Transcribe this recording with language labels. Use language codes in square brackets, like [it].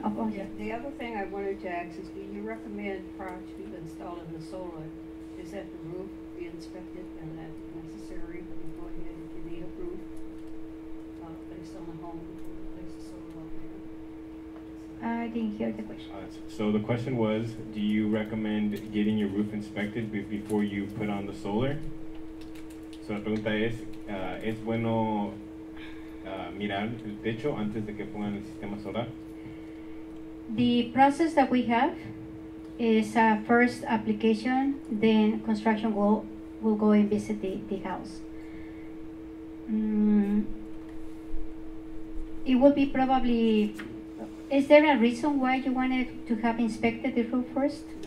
[en] The other thing I wanted to ask is, do you recommend prior to installing the solar, is that the roof be inspected and that necessary before you can need a roof based on the home place the solar up there? I didn't hear the question. So the question was, do you recommend getting your roof inspected before you put on the solar? [es] So la pregunta es, ¿es bueno mirar el techo antes de que pongan el sistema solar? [en] The process that we have is first application, then construction will go and visit the house. It will be probably, is there a reason why you wanted to have inspected the roof first?